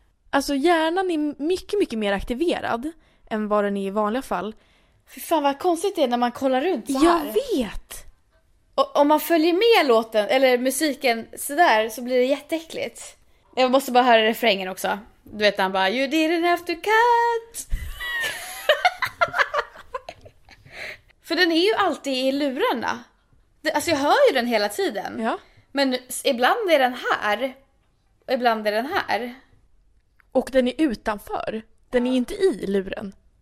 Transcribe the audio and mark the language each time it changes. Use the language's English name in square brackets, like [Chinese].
[Swedish] alltså hjärnan är mycket mycket mer aktiverad än vad den är i vanliga fall. Fy fan vad konstigt det är när man kollar runt så här. Jag vet. Och om man följer med låten eller musiken så där så blir det jätteäckligt. Jag måste bara höra refrängen också. Du vet han bara [English] "You didn't have to cut." [Swedish] För den är ju alltid i lurarna. Alltså jag hör ju den hela tiden. Ja. Men ibland är den här. Och ibland är den här. Och den är utanför. Den är inte i luren.